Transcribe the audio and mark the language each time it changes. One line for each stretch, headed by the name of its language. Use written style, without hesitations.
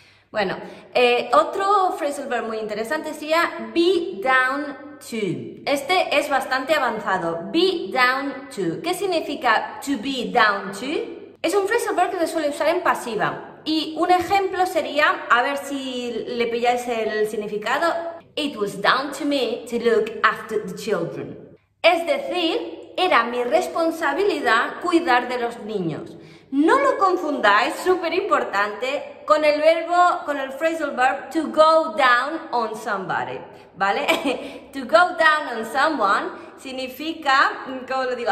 Spanish: Bueno, otro phrasal verb muy interesante sería be down to. Este es bastante avanzado. Be down to. ¿Qué significa to be down to? Es un phrasal verb que se suele usar en pasiva. Y un ejemplo sería, a ver si le pilláis el significado.
English: It was down to me to look after the children.
Spanish: Es decir, era mi responsabilidad cuidar de los niños. No lo confundáis, súper importante, con el verbo, con el phrasal verb to go down on somebody, ¿vale? To go down on someone significa, ¿cómo lo digo?